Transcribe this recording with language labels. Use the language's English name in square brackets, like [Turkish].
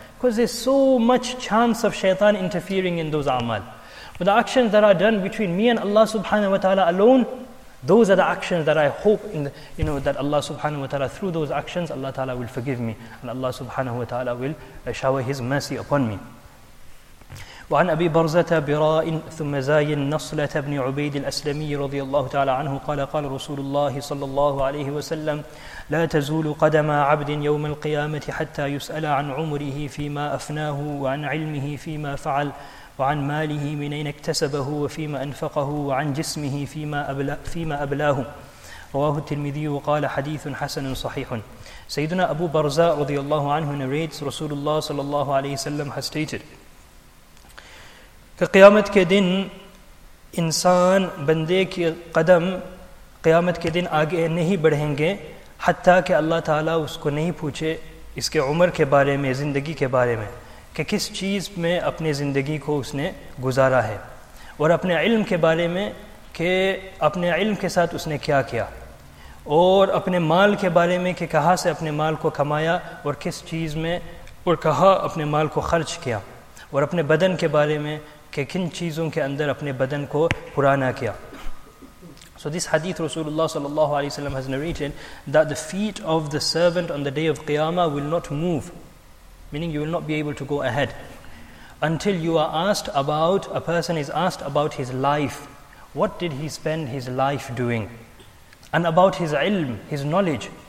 [English] Because there's so much chance of shaitan interfering in those a'mal. But the actions that are done between me and Allah subhanahu wa ta'ala alone, those are the actions that I hope in the, you know, that Allah subhanahu wa ta'ala, through those actions, Allah ta'ala will forgive me. And Allah subhanahu wa ta'ala will shower His mercy upon me. [Arabic] وعن أبي برزة براء ثم زاين نصلة بن عبيد الأسلمي رضي الله تعالى عنه قال قال رسول الله صلى الله عليه وسلم لا تزول قدم عبد يوم القيامة حتى يسأل عن عمره فيما أفناه وعن علمه فيما فعل وعن ماله من أين اكتسبه وفيما أنفقه وعن جسمه فيما أبلاه رواه الترمذي وقال حديث حسن صحيح. [Urdu] سيدنا أبو برزة رضي الله عنه [English] narrates [Urdu] رسول الله صلى الله عليه وسلم [English] has stated [Urdu] کہ قیامت کے دن انسان بندے کے قدم قیامت کے دن آگے نہیں بڑھیں گے حتیٰ کہ اللہ تعالیٰ اس کو نہیں پوچھے اس کے عمر کے بارے میں زندگی کے بارے میں کہ کس چیز میں اپنے زندگی کو اس نے گزارا ہے اور اپنے علم کے بارے میں کہ اپنے علم کے ساتھ اس نے کیا کیا اور اپنے مال کے بارے میں کہ کہاں سے اپنے مال کو کمایا اور کس چیز میں اور کہاں اپنے مال کو خرچ کیا اور اپنے بدن کے بارے میں کہ کن چیزوں کے اندر اپنے بدن کو پرانا کیا. [English] So this hadith Rasulullah sallallahu alayhi wa sallam has narrated that the feet of the servant on the day of Qiyamah will not move, meaning you will not be able to go ahead until you are asked about, a person is asked about his life. What did he spend his life doing? And about his ilm, his knowledge.